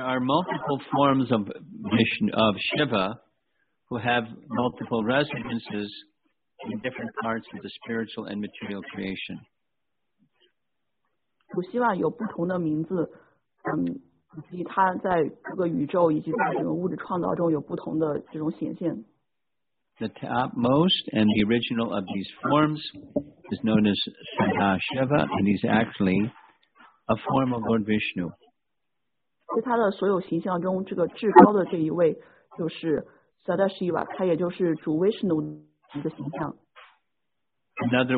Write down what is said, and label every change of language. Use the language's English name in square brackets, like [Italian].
[English] are multiple forms of Vishnu, of Shiva, who have multiple residences in different parts of the spiritual and material creation. [Chinese] 主希瓦有不同的名字。以及他在各个宇宙以及在整个物质创造中有不同的这种显现。 [English] The topmost and the original of these forms is known as Sadashiva, and he's actually a form of Lord Vishnu. [Chinese] 在他的所有形象中，这个至高的这一位就是 Sadashiva， 他也就是主 Vishnu 的形象。 [English] Another